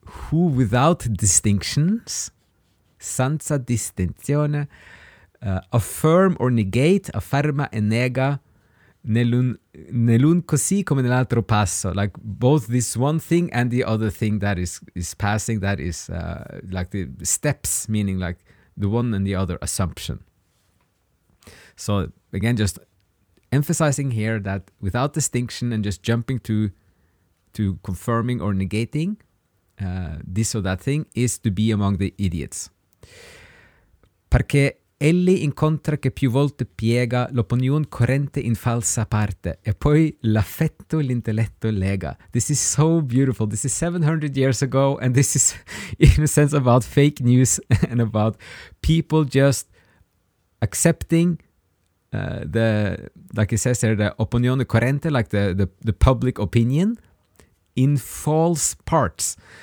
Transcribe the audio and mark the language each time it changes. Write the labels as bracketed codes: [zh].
[en] who without distinctions, [it] senza distinzione, [en] affirm or negate, [it] afferma e nega, nell'un così come nell'altro passo, [en] like both this one thing and the other thing that is passing, that is the steps, meaning like the one and the other assumption. So again, just emphasizing here that without distinction and just jumping to confirming or negating this or that thing is to be among the idiots. [it] Perché egli incontra che più volte piega l'opinione corrente in falsa parte e poi l'affetto e l'intelletto lega. [en] This is so beautiful. This is 700 years ago, and this is in a sense about fake news and about people just accepting the, like it says there, the [it] opinione corrente, [en] like the public opinion, in false parts.